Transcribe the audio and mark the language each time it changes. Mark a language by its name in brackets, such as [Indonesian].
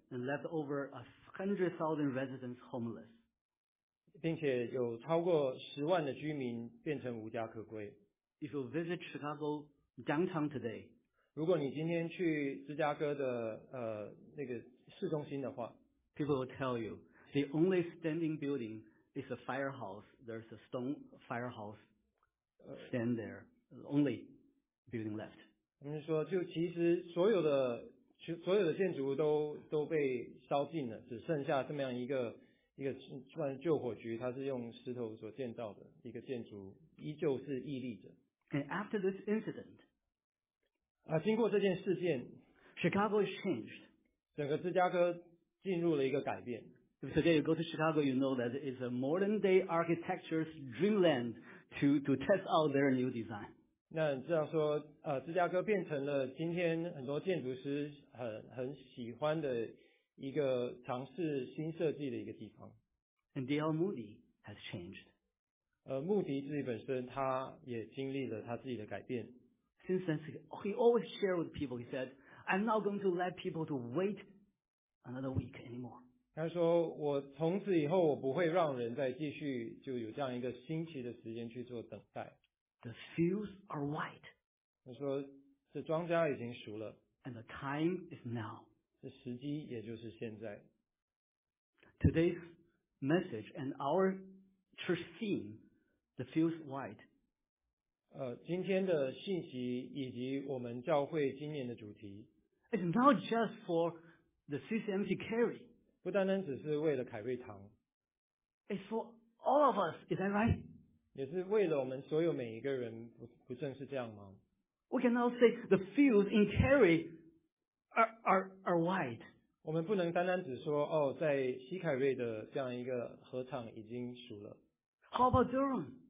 [English] And left over 100,000 residents homeless. [Chinese] 并且有超过100,000的居民变成无家可归。 [English] If you visit Chicago downtown today, [Chinese] 如果你今天去芝加哥的那个市中心的话 [English] ，People will tell you the only standing building is a firehouse. There's a stone firehouse stand there, the only building left. [Chinese] 他们说，就其实所有的建筑物都被烧尽了，只剩下这么样一个算救火局，它是用石头所建造的一个建筑，依旧是屹立着。 [English] And after this incident. [Chinese] 经过这件事件 [English] ，Chicago is changed. [Chinese] 整个芝加哥进入了一个改变。 [English] If today you go to Chicago, you know that it's a modern-day architecture's dreamland to test out their new design. [Chinese] 那这样说，芝加哥变成了今天很多建筑师很喜欢的一个尝试新设计的一个地方。 [English] And D.L. Moody has changed. [Chinese] 穆迪自己本身他也经历了他自己的改变。 [English] Since then, he always shared with people. He said, "I'm not going to let people to wait another week anymore." [Chinese] 他说，我从此以后我不会让人再继续就有这样一个星期的时间去做等待。 [English] The fields are white. [Chinese] 他说，这庄稼已经熟了。 [English] And the time is now. [Chinese] 这时机也就是现在。 [English] Today's message and our church theme, the fields white. [Chinese] 今天的信息以及我们教会今年的主题 [English] ，It's not just for the CCMC Carey， [Chinese] 不单单只是为了凯瑞堂 [English] ，It's for all of us， is that right？ [Chinese] 也是为了我们所有每一个人，不正是这样吗 [English] ？We cannot say the fields in Carey are white。 [Chinese] 我们不能单单只说哦，在西凯瑞的这样一个合场已经熟了。 [English] How about Durham？